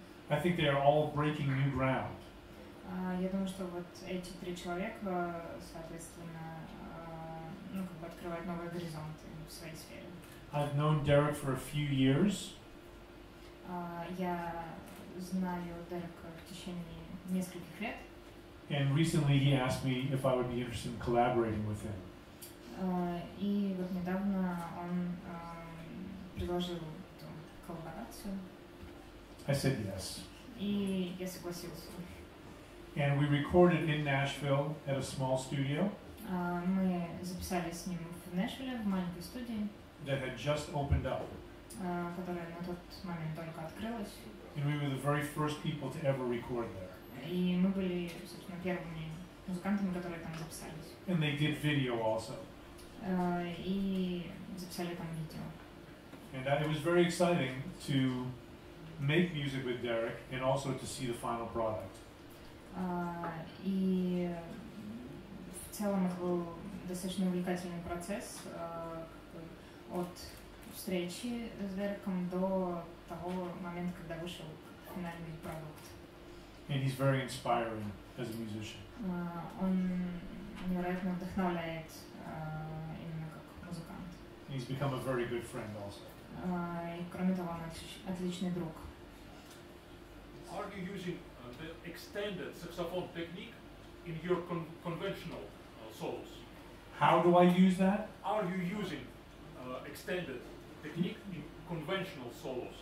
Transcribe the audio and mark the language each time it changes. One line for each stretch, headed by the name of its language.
English: I think they are all breaking new ground.
Russian: Я думаю, что вот эти три человека, соответственно, ну как бы открывают новые горизонты в своей сфере.
English: I've known Derek for a few years.
Russian: Я знаю Дерека в течение нескольких лет.
English: And recently he asked me if I would be interested in collaborating with him.
Russian: И вот недавно он предложил эту коллаборацию.
English: I said yes.
Russian: И я согласился.
English: And we recorded in Nashville at a small studio.
Russian: Мы записали с ним в Нэшвилле в маленькой студии.
English: That had just opened up.
Russian: Которая на тот момент только открылась.
English: And we were the very first people to ever record there.
Russian: И мы были, собственно, первыми музыкантами, которые там записались.
English: And they did video also.
Russian: И записали там видео.
English: And it was very exciting to make music with Derek and also to see the final product.
Russian: И в целом это был достаточно увлекательный процесс от встречи с Дереком до того момента, когда вышел финальный продукт.
English: And he's very inspiring as a musician.
Russian: Он невероятно вдохновляет именно как музыкант.
English: He's become a very good friend also.
Russian: И кроме того, он отличный друг.
English: Are you using the extended saxophone technique in your conventional solos? How do I use that? Are you using extended technique in conventional solos?